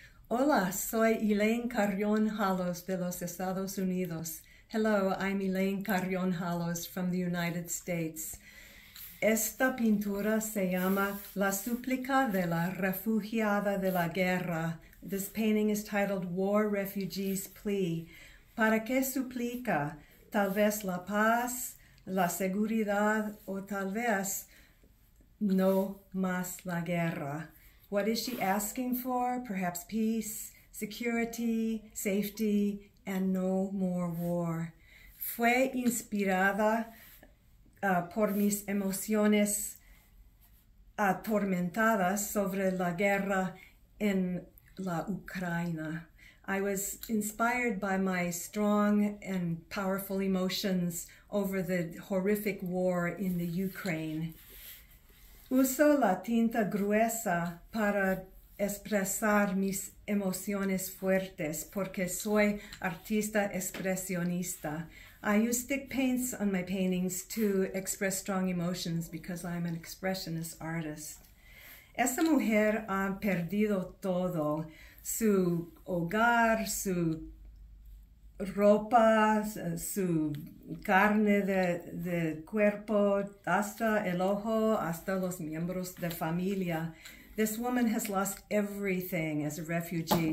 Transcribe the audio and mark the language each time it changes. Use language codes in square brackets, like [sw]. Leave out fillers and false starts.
[es] Hola, soy Elaine Carreon Hollows de los Estados Unidos. [en] Hello, I'm Elaine Carreon Hollows from the United States. [es] Esta pintura se llama La Suplica de la Refugiada de la Guerra. [en] This painting is titled War Refugees Plea. [es] ¿Para qué suplica? Tal vez la paz, la seguridad, o tal vez no más la guerra. [en] What is she asking for? Perhaps peace, security, safety, and no more war. [es] Fue inspirada por mis emociones atormentadas sobre la guerra en la Ucrania. [en] I was inspired by my strong and powerful emotions over the horrific war in the Ukraine. [es] Uso la tinta gruesa para expresar mis emociones fuertes porque soy artista expresionista. [en] I use thick paints on my paintings to express strong emotions because I'm an expressionist artist. [es] Esa mujer ha perdido todo, su hogar, su ropa, su carne de cuerpo, hasta el ojo, hasta los miembros de familia. [en] This woman has lost everything as a refugee.